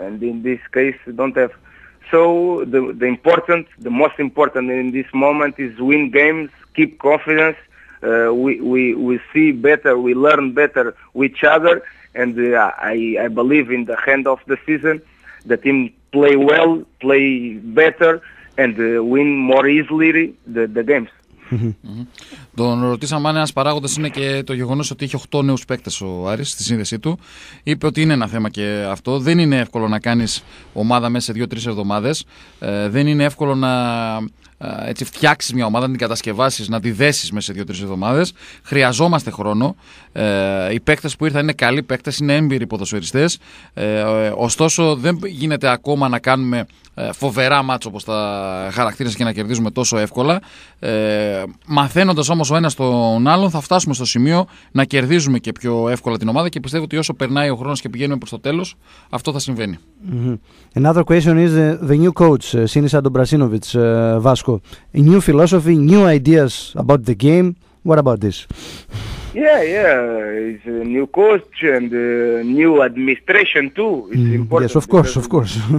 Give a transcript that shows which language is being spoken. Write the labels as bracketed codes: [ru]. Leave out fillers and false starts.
[en] And in this case, don't have. So the most important in this moment is win games, keep confidence. We see better, we learn better with each other, and I believe in the end of the season, the team play well, play better, and win more easily the games. [el] Τον ρωτήσαμε αν ένας παράγοντας είναι και το γεγονός ότι έχει 8 νέους παίκτες ο Άρης στη σύνδεσή του. Είπε ότι είναι ένα θέμα και αυτό. Δεν είναι εύκολο να κάνεις ομάδα μέσα σε 2-3 εβδομάδες. Δεν είναι εύκολο να φτιάξεις μια ομάδα, να την κατασκευάσεις, να τη δέσεις μέσα σε 2-3 εβδομάδες. Χρειαζόμαστε χρόνο. Οι παίκτες που ήρθαν είναι καλοί παίκτες, είναι έμπειροι ποδοσφαιριστές. Ωστόσο, δεν γίνεται ακόμα να κάνουμε φοβερά μάτσο όπως τα χαρακτήρες και να κερδίζουμε τόσο εύκολα. Μαθαίνοντας όμως ο ένας τον άλλον, θα φτάσουμε στο σημείο να κερδίζουμε και πιο εύκολα την ομάδα, και πιστεύω ότι όσο περνάει ο χρόνος και πηγαίνουμε προς το τέλος, αυτό θα συμβαίνει. [en] Another question is the new coach, Sinis Andonbrasinovic, Vasco. A new philosophy, new ideas about the game. What about this? Yeah, it's a new coach and new administration too. It's important. Yes, of course.